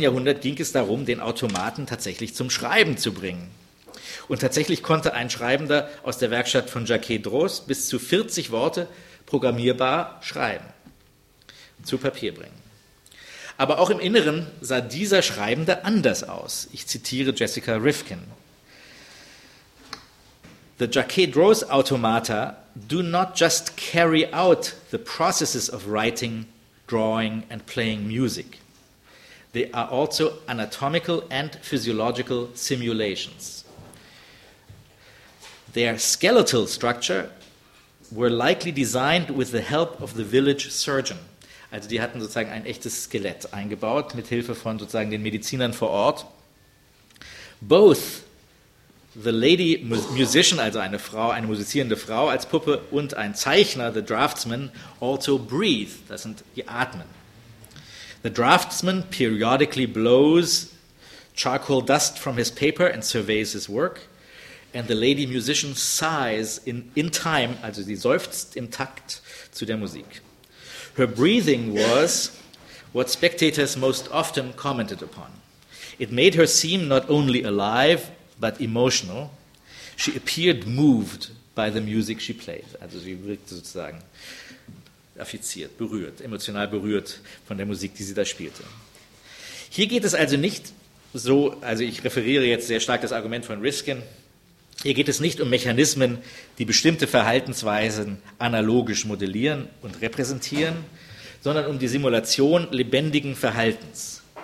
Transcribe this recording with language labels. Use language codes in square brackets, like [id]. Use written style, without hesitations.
[de] Jahrhundert ging es darum, den Automaten tatsächlich zum Schreiben zu bringen. Und tatsächlich konnte ein Schreibender aus der Werkstatt von Jacquet Droz bis zu 40 Worte programmierbar schreiben, zu Papier bringen. Aber auch im Inneren sah dieser Schreibende anders aus. Ich zitiere Jessica Rifkin. [en] The Jacquet Rose Automata do not just carry out the processes of writing, drawing and playing music. They are also anatomical and physiological simulations. Their skeletal structure were likely designed with the help of the village surgeon. [de] Also die hatten sozusagen ein echtes Skelett eingebaut, mit Hilfe von sozusagen den Medizinern vor Ort. [en] Both the lady musician, [de] also eine Frau, eine musizierende Frau als Puppe, und ein Zeichner, [en] the draftsman, also breathe, [de] das sind die Atmen. [en] The draftsman periodically blows charcoal dust from his paper and surveys his work. And the lady musician sighs in time, [de] also sie seufzt im Takt zu der Musik. [en] Her breathing was what spectators most often commented upon. It made her seem not only alive, but emotional. She appeared moved by the music she played. [de] Also sie wirkte sozusagen affiziert, berührt, emotional berührt von der Musik, die sie da spielte. Hier geht es also nicht so, also ich referiere jetzt sehr stark das Argument von Rifkin. Hier geht es nicht um Mechanismen, die bestimmte Verhaltensweisen analogisch modellieren und repräsentieren, sondern um die Simulation lebendigen Verhaltens.